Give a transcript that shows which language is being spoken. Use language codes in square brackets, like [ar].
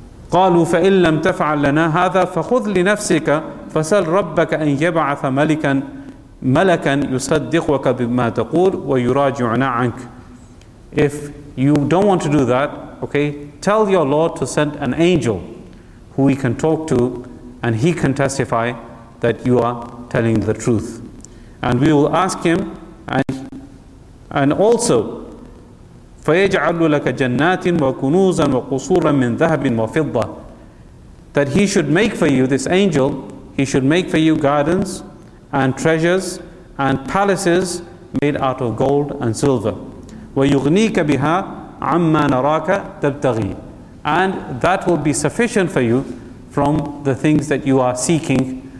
[ar] قَالُوا فَإِنْ لَمْ تَفْعَلْ لَنَا هَذَا فَخُذْ لِنَفْسِكَ فَسَلْ رَبَّكَ أَنْ يَبْعَثَ مَلَكًا يُصَدِّقُكَ بِمَا تَقُولُ وَيُرَاجِعُنَا عَنْكَ. [en] If you don't want to do that, okay, tell your Lord to send an angel who he can talk to, and he can testify that you are telling the truth. And we will ask him, and also, [ar] فَيَجْعَلُ لَكَ جَنَّاتٍ وَكُنُوزًا وَقُصُورًا مِّن ذَهَبٍ وَفِضَّةٍ. [en] That he should make for you, this angel, he should make for you gardens and treasures and palaces made out of gold and silver. [ar] وَيُغْنِيكَ بِهَا عَمَّا نَرَاكَ تَبْتَغِي. [en] And that will be sufficient for you from the things that you are seeking.